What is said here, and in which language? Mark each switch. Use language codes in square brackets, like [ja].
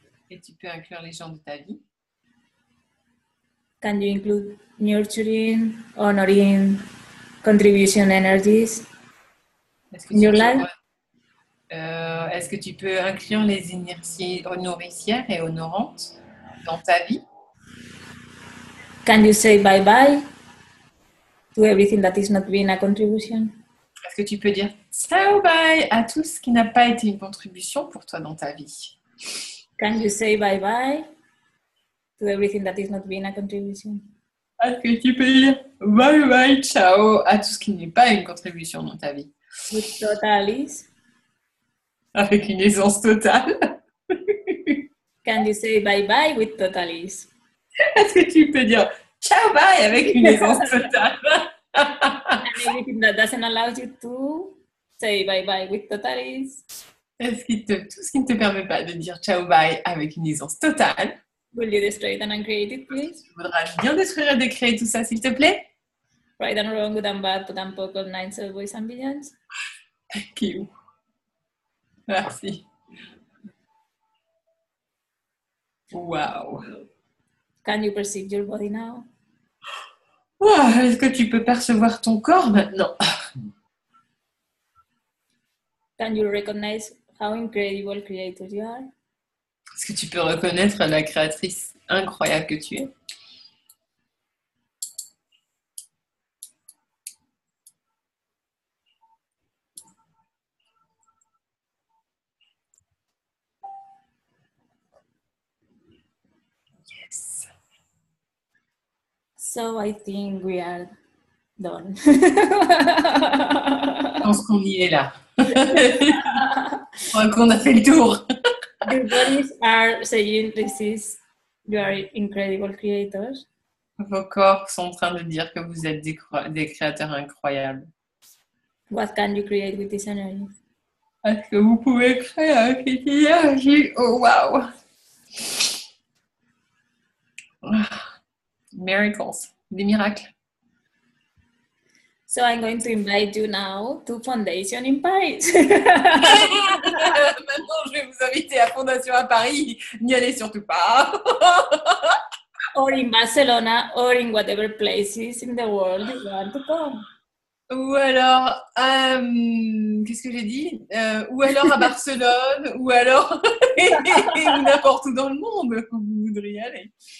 [fr] Et tu peux inclure les gens de ta vie? [en] Can you include nurturing, honoring, contribution energies in your life? [fr] Est-ce que tu peux inclure les énergies honorifières et honorantes dans ta vie? [en] Can you say bye bye to everything that is not being a contribution? [fr] Est-ce que tu peux dire ciao bye à tout ce qui n'a pas été une contribution pour toi dans ta vie? [en] Can you say bye bye to everything that is not being a contribution? [fr] Est-ce que tu peux dire bye bye, ciao à tout ce qui n'est pas une contribution dans ta vie? [en] With total ease. [fr] Avec une aisance totale. [en] Can you say bye bye with total ease? [fr] Est-ce que tu peux dire ciao bye avec une aisance totale? [en] And everything that doesn't allow you to say bye bye with total ease. [fr] Est-ce que tout ce qui ne te permet pas de dire ciao bye avec une aisance totale? [en] Will you destroy it and uncreate it, please? [fr] Tu voudras bien détruire et décréer tout ça, s'il te plaît? [en] Right and wrong, good and bad, but tampoco nine soul voice and billions. Thank you. [fr] Merci. Wow. [en] Can you perceive your body now? [fr] Wow, est-ce que tu peux percevoir ton corps maintenant? [en] Can you recognize how incredible creator you are? [fr] Est-ce que tu peux reconnaître la créatrice incroyable que tu es? [en] So I think we are done. [fr] Je pense qu'on y est là. Je crois qu'on a fait le tour. [en] The bodies are saying this is, you are incredible creators. [fr] Vos corps sont en train de dire que vous êtes des créateurs incroyables. [en] What can you create with this energy? [fr] Est-ce que vous pouvez créer avec cette énergie? [en] Oh, wow! Miracles. [fr] Des miracles. [en] So I'm going to invite you now to Foundation in Paris. [fr] Maintenant, je vais vous inviter à Fondation à Paris. N'y allez surtout pas. [en] Or in Barcelona, or in whatever places in the world you want to come. [fr] Ou alors, qu'est-ce que j'ai dit? Ou alors à Barcelone, ou alors n'importe où dans le monde où vous voudriez aller.